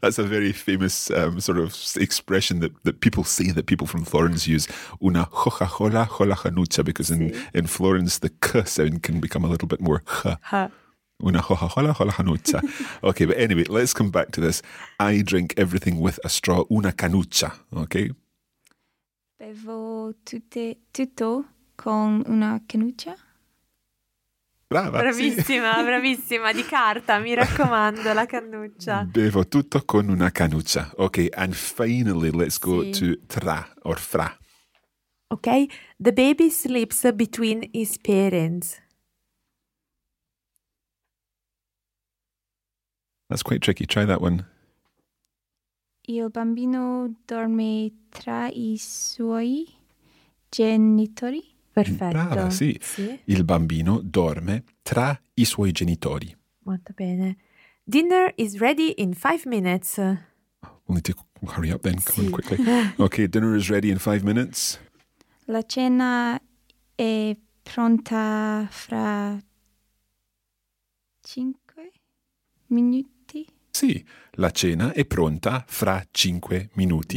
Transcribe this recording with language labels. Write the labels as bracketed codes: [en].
[en] That's a very famous sort of expression that people say, that people from Florence use. [it] Una hojola o la canuta, [en] because in Florence, the k sound can become a little bit more ch. [it] Una hojola o la canuta. [en] Okay, but anyway, let's come back to this. I drink everything with a straw. [it] Una canucha. [en] Okay. [it] Bevo tutto con una canuccia. Brava, bravissima, sì. Bravissima, di carta, mi raccomando, la cannuccia. Bevo tutto con una cannuccia. [en] Ok, and finally let's go to tra or fra. Ok, the baby sleeps between his parents. That's quite tricky, try that one. [it] Il bambino dorme tra i suoi genitori. Perfetto. Brava, sì. Il bambino dorme tra i suoi genitori. Molto bene. [en] Dinner is ready in 5 minutes. We'll need to hurry up then. Come on quickly. Okay, dinner is ready in 5 minutes. [it] La cena è pronta fra 5 minuti. Sì, la cena è pronta fra 5 minuti.